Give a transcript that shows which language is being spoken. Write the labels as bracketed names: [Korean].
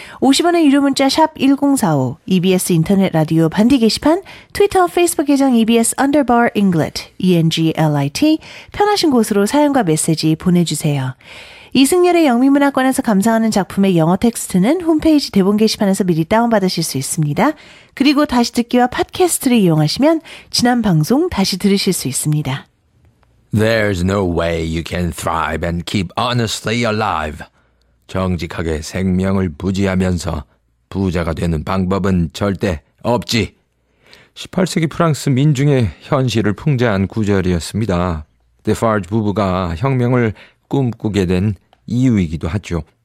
[Korean] 50원의 유료 문자 샵 1045, EBS 인터넷 라디오 반디 게시판, 트위터, 페이스북 계정 EBS underbar Englit, E-N-G-L-I-T. 편하신 곳으로 사연과 메시지 보내주세요. 이승열의 영미문학관에서 감상하는 작품의 영어 텍스트는 홈페이지 대본 게시판에서 미리 다운받으실 수 있습니다. 그리고 다시 듣기와 팟캐스트를 이용하시면 지난 방송 다시 들으실 수 있습니다. [English] There's no way you can thrive and keep honestly alive. [Korean] 정직하게 생명을 부지하면서 부자가 되는 방법은 절대 없지. 18세기 프랑스 민중의 현실을 풍자한 구절이었습니다. 데파르지 부부가 혁명을 꿈꾸게 된 이유이기도 하죠.